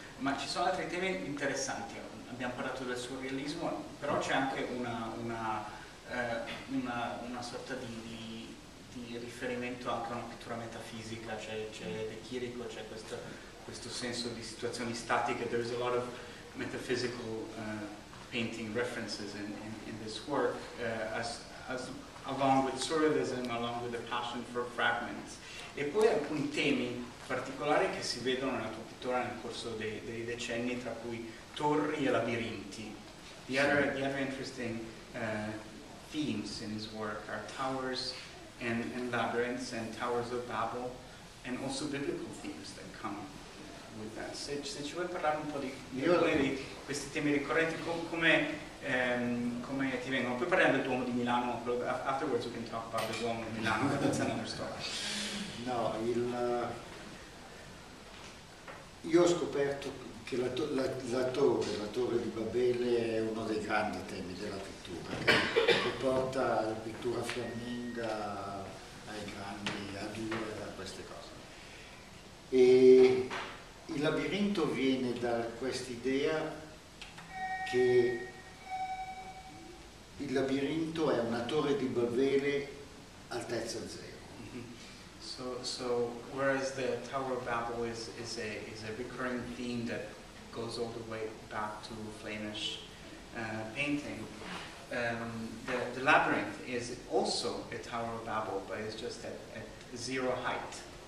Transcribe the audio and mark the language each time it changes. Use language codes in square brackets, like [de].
[it] Ma ci sono altri temi interessanti. Abbiamo parlato del surrealismo, però c'è anche una sorta di riferimento anche a una pittura metafisica. C'è De Chirico, c'è questo senso di situazioni statiche. [en] There's a lot of metaphysical painting references in this work, as along with surrealism, along with the passion for fragments. [it] E poi alcuni temi particolari che si vedono nella tua pittura nel corso dei decenni, tra cui torri e labirinti. [en] The other interesting themes in his work are towers and labyrinths and towers of Babel, and also biblical themes that come with that. [it] Se ci vuoi parlare un po' di questi temi ricorrenti, come ti vengono? Poi parliamo del Duomo di Milano, [en] afterwards we can talk about the Duomo di Milano, but that's another story. [it] No, io ho scoperto che la torre di Babele è uno dei grandi temi della pittura, che porta la pittura fiamminga ai grandi, a due, a queste cose. E il labirinto viene da quest'idea che il labirinto è una torre di Babele altezza zero. [en] So whereas the Tower of Babel is a recurring theme that goes all the way back to Flemish painting, the labyrinth is also a Tower of Babel, but it's just at zero height.